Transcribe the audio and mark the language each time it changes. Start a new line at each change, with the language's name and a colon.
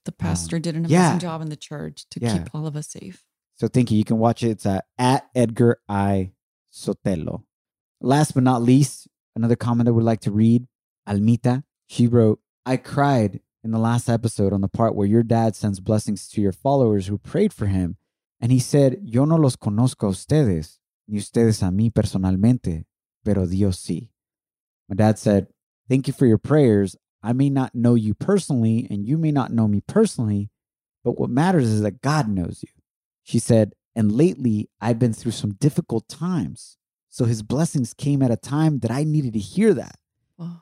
English: The pastor did an amazing job in the church to keep all of us safe. So thank you. You can watch it. It's at Edgar I. Sotelo. Last but not least, another comment that we'd like to read. Almita, she wrote, I cried in the last episode on the part where your dad sends blessings to your followers who prayed for him.
Spanish: And he said, yo no los conozco a ustedes, ni ustedes a mí personalmente, pero Dios sí.
English: My dad said, thank you for your prayers. I may not know you personally, and you may not know me personally, but what matters is that God knows you. She said, and lately, I've been through some difficult times, so his blessings came at a time that I needed to hear that. Wow.